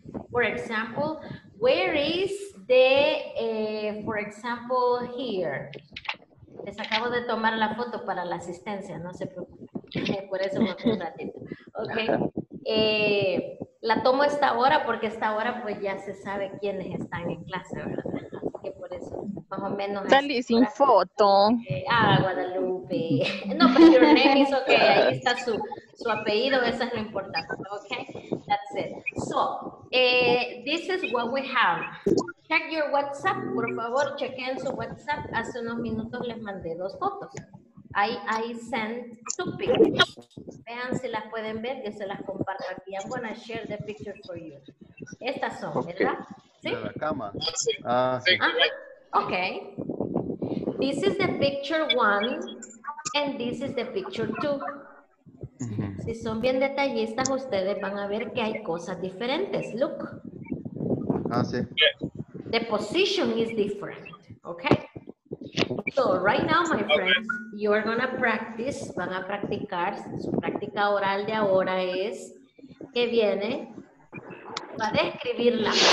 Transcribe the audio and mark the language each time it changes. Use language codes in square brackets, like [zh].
[en] For example, where is the, for example, here. [es] Les acabo de tomar la foto para la asistencia, no se preocupen. Por eso me puse un ratito. Ok. La tomo esta hora porque esta hora pues ya se sabe quiénes están en clase, ¿verdad? Más o menos. Dale, sin foto. Ah, Guadalupe. [en] No, but your name is okay. [es] Ahí está su apellido. Eso es lo importante. [en] Okay, that's it. So, this is what we have. Check your WhatsApp. [es] Por favor, chequen su WhatsApp. Hace unos minutos les mandé dos fotos. [en] I sent two pictures. [es] Vean si las pueden ver. Yo se las comparto aquí. [en] I'm going to share the pictures for you. [es] Estas son, okay, ¿verdad? Sí. De la cama. Sí. [en] Okay, this is the picture one, and this is the picture two. Mm-hmm. [es] Si son bien detallistas, ustedes van a ver que hay cosas diferentes. [en] Look. [es] Ah, sí. [en] The position is different, okay? So, right now, my friends, you are gonna practice, [es] van a practicar, su práctica oral de ahora es, que viene, va a describirla.